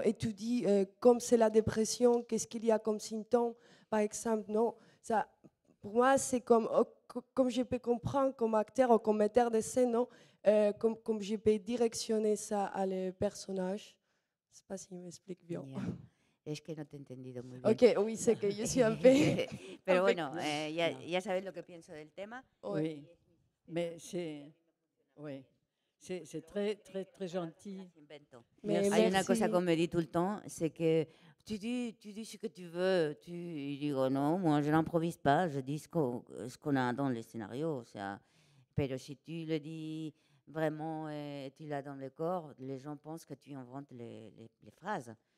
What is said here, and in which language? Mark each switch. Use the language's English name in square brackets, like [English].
[French] Étudie comme c'est la dépression, qu'est-ce qu'il y a comme symptômes, par exemple. Non, ça pour moi c'est comme je peux comprendre comme acteur ou comme metteur de scène, non, comme je peux directionner ça à le personnage. Je sais pas si je m'explique bien. [English] Yeah. [Spanish] Es que no te he entendido muy bien. [French] Ok, oui, c'est que [Spanish] yo siempre... Pero bueno, ya sabes lo que pienso del tema. [French] Oui, mais c'est... Oui, c'est très, très, très gentil. Merci. [Spanish] Hay una cosa [French] qu'on me dit tout le temps, c'est que tu dis ce que tu veux. Tu dis, oh non, moi, je n'improvise pas. Je dis ce qu'on a dans les scénarios. [Spanish] O sea, pero si [French] tu le dis vraiment et tu l'as dans le corps, les gens pensent que tu inventes les phrases.